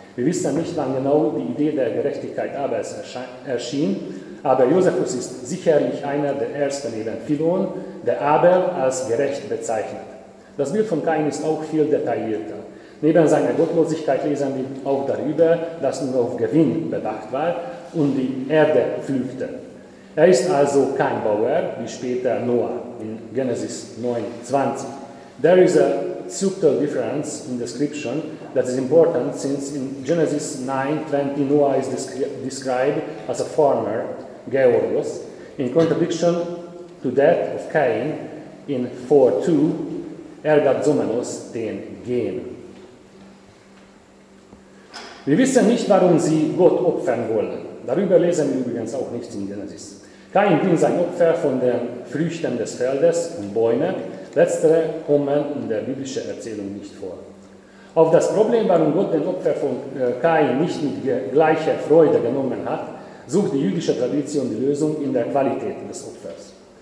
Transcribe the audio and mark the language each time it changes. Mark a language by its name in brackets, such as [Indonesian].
[German] Wir wissen nicht, wann genau die Idee der Gerechtigkeit Abels erschien, aber Josephus ist sicherlich einer der ersten neben Philon, der Abel als gerecht bezeichnet. Das Bild von Kain ist auch viel detaillierter. Neben seiner Gottlosigkeit lesen wir auch darüber, dass nur auf Gewinn bedacht war und die Erde pflügte. Er ist also kein Bauer, wie später Noah in Genesis 9, 20. [English] There is a subtle difference in description that is important, since in Genesis 9, 20, Noah is described as a farmer, [Greek] Georgos, [English] in contradiction to that of Cain in 4, 2, [Greek] ergazomenos den Gen. [German] Wir wissen nicht, warum sie Gott opfern wollen. Darüber lesen wir übrigens auch nichts in Genesis. Kain bringt sein Opfer von den Früchten des Feldes und Bäume. Letztere kommen in der biblischen Erzählung nicht vor. Auf das Problem, warum Gott den Opfer von Kain nicht mit gleicher Freude genommen hat, sucht die jüdische Tradition die Lösung in der Qualität des Opfers.